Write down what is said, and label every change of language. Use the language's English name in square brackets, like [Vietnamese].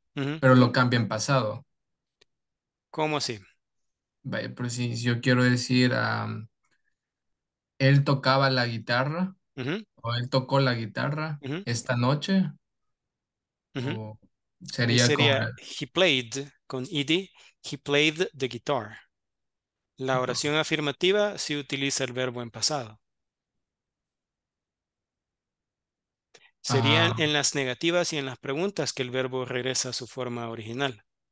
[Spanish] Pero lo cambia en pasado. ¿Cómo así? Vaya, pero si yo quiero decir, él tocaba la guitarra, o él tocó la guitarra esta noche, o sería, sería con... [English] He played, [Spanish] con ed, [English] he played the guitar. [Spanish] La oración afirmativa sí utiliza el verbo en pasado. Serían en las negativas y en las preguntas que el verbo regresa a su forma original.